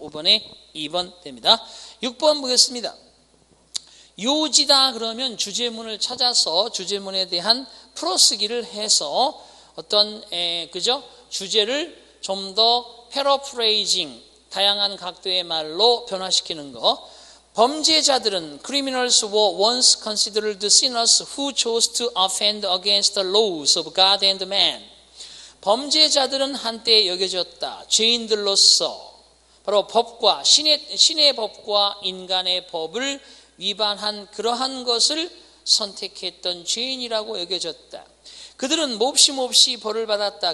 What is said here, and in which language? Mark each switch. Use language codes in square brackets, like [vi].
[ko] 5번에 2번 됩니다. 6번 보겠습니다. 요지다 그러면 주제문을 찾아서 주제문에 대한 풀어쓰기를 해서 어떤 그죠? 주제를 좀 더 패러프레이징, 다양한 각도의 말로 변화시키는 거. 범죄자들은 [en] criminals were once considered sinners who chose to offend against the laws of God and man. [ko] 범죄자들은 한때 여겨졌다. 죄인들로서 바로 법과 신의 법과 인간의 법을 위반한 그러한 것을 선택했던 죄인이라고 여겨졌다. 그들은 몹시 몹시 벌을 받았다.